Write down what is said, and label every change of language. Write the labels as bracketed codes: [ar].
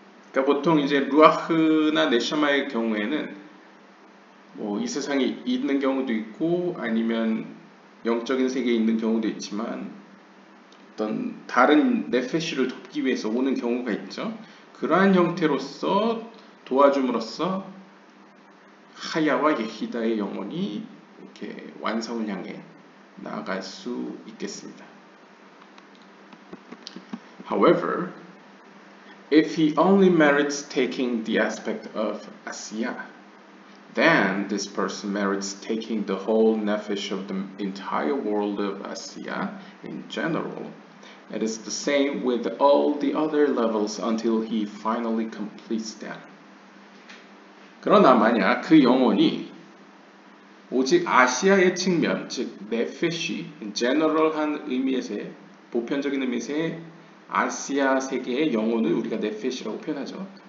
[ko] 그러니까 보통 이제 루아흐나 네샤마의 경우에는 뭐 이 세상에 있는 경우도 있고 아니면 영적인 세계에 있는 경우도 있지만 어떤 다른 네페시를 돕기 위해서 오는 경우가 있죠. 그러한 형태로서 도와줌으로써 하야와 예히다의 영혼이 이렇게 완성을 향해 나아갈 수 있겠습니다. [en] However, if he only merits taking the aspect of Asiya, then this person merits taking the whole nefesh of the entire world of Asiya in general. It is the same with all the other levels until he finally completes them. [ko] 그러나 만약 그 영혼이 오직 아시아의 측면, 즉 네페시, 제너럴한 의미에서의, 보편적인 의미에서의 아시아 세계의 영혼을 우리가 네페시라고 표현하죠.